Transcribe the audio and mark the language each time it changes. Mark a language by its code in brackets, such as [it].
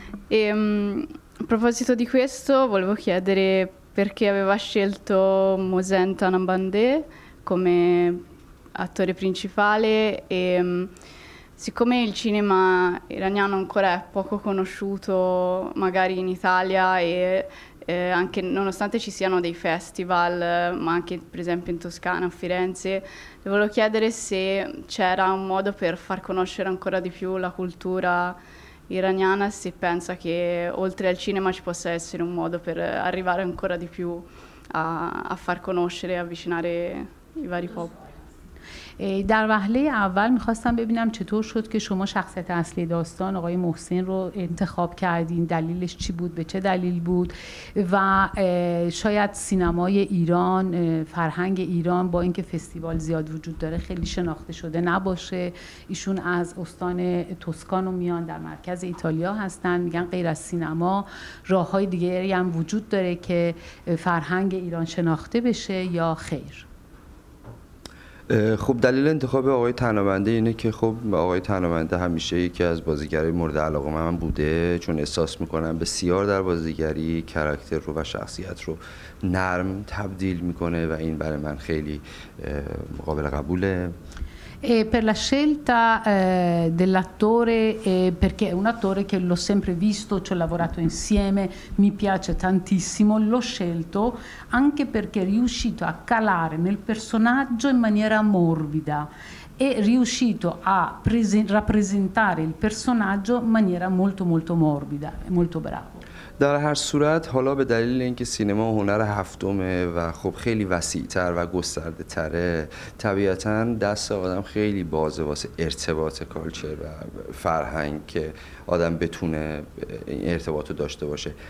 [it] E, a proposito di questo, volevo chiedere perché aveva scelto Mosen Tanambandé come attore principale, e siccome il cinema iraniano ancora è poco conosciuto magari in Italia, e anche nonostante ci siano dei festival, ma anche per esempio in Toscana, a Firenze, le volevo chiedere se c'era un modo per far conoscere ancora di più la cultura iraniana, se pensa che oltre al cinema ci possa essere un modo per arrivare ancora di più a far conoscere e avvicinare i vari popoli. [fa] در وهله اول میخواستم ببینم چطور شد که شما شخصیت اصلی داستان آقای محسن رو انتخاب کردین، دلیلش چی بود، به چه دلیل بود، و شاید سینمای ایران، فرهنگ ایران با اینکه فستیوال زیاد وجود داره خیلی شناخته شده نباشه. ایشون از استان توسکان و میان در مرکز ایتالیا هستن، میگن غیر از سینما راه های دیگری هم وجود داره که فرهنگ ایران شناخته بشه یا خیر. خب دلیل انتخاب آقای تنابنده اینه که خب آقای تنابنده همیشه یکی از بازیگرای مورد علاقه من بوده، چون احساس میکنم بسیار در بازیگری کاراکتر رو و شخصیت رو نرم تبدیل میکنه و این برای من خیلی قابل قبوله. [it] E per la scelta dell'attore, perché è un attore che l'ho sempre visto, ci ho lavorato insieme, mi piace tantissimo, l'ho scelto anche perché è riuscito a calare nel personaggio in maniera morbida, è riuscito a rappresentare il personaggio in maniera molto molto morbida, è molto bravo. [fa] در هر صورت حالا به دلیل اینکه سینما هنر هفتمه و خب خیلی وسیع‌تر و گسترده‌تره، طبیعتاً دست آدم خیلی بازه واسه ارتباط کالچر و فرهنگ که آدم بتونه این ارتباط رو داشته باشه.